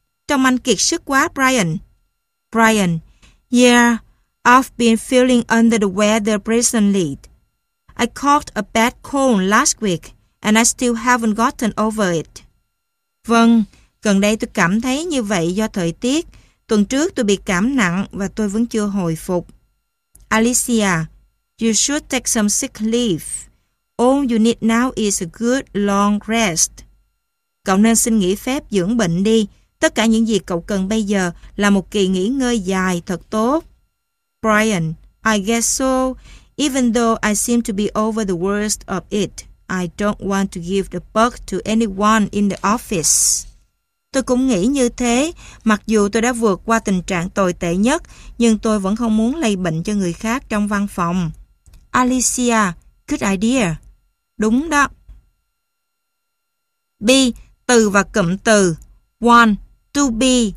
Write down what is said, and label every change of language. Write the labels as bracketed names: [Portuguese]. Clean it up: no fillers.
[Vietnamese] Trông anh kiệt sức quá, Brian. Brian. [English] Yeah, I've been feeling under the weather recently. I caught a bad cold last week and I still haven't gotten over it. [Vietnamese] Vâng, gần đây tôi cảm thấy như vậy do thời tiết. Tuần trước tôi bị cảm nặng và tôi vẫn chưa hồi phục. [English] Alicia, you should take some sick leave. All you need now is a good long rest. [Vietnamese] Cậu nên xin nghỉ phép dưỡng bệnh đi. Tất cả những gì cậu cần bây giờ là một kỳ nghỉ ngơi dài thật tốt. [English] Brian, I guess so. Even though I seem to be over the worst of it, I don't want to give the bug to anyone in the office. [Vietnamese] Tôi cũng nghĩ như thế, mặc dù tôi đã vượt qua tình trạng tồi tệ nhất, nhưng tôi vẫn không muốn lây bệnh cho người khác trong văn phòng. [English] Alicia, good idea. [Vietnamese] Đúng đó. B. Từ và cụm từ. [English] One, to be.